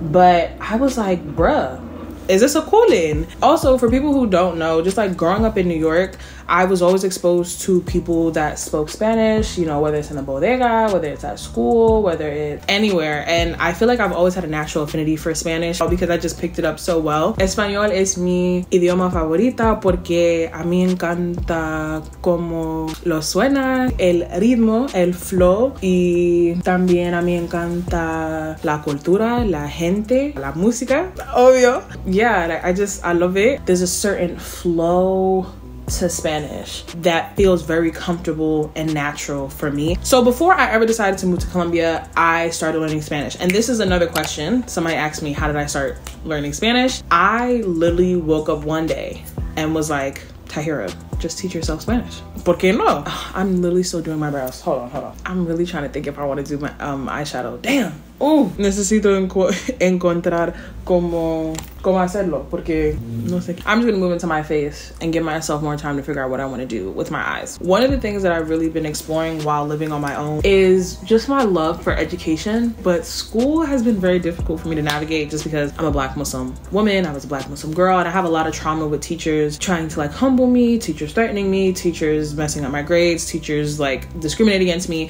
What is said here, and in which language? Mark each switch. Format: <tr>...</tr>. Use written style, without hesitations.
<en>But I was like, bruh, is this a calling? Also, for people who don't know, just like growing up in New York, I was always exposed to people that spoke Spanish, you know, whether it's in the bodega, whether it's at school, whether it's anywhere. And I feel like I've always had a natural affinity for Spanish because I just picked it up so well.</en> <es>Español es mi idioma favorita porque a mí encanta cómo lo suena, el ritmo, el flow, y también a mí encanta la cultura, la gente, la música, obvio.</es> <en>Yeah, I love it. There's a certain flow to Spanish that feels very comfortable and natural for me. So before I ever decided to move to Colombia, I started learning Spanish. And this is another question. Somebody asked me, how did I start learning Spanish? I literally woke up one day and was like, Tahira, just teach yourself Spanish.</en> <es>¿Por qué no?</es> <en>I'm literally still doing my brows. Hold on. I'm really trying to think if I want to do my eyeshadow. Damn.</en> <es>Oh, necesito encontrar cómo hacerlo, porque no sé.</es> <en>I'm just gonna move into my face and give myself more time to figure out what I wanna do with my eyes. One of the things that I've really been exploring while living on my own is just my love for education, but school has been very difficult for me to navigate just because I'm a Black Muslim woman, I was a Black Muslim girl, and I have a lot of trauma with teachers trying to like humble me, teachers threatening me, teachers messing up my grades, teachers like discriminating against me.</en>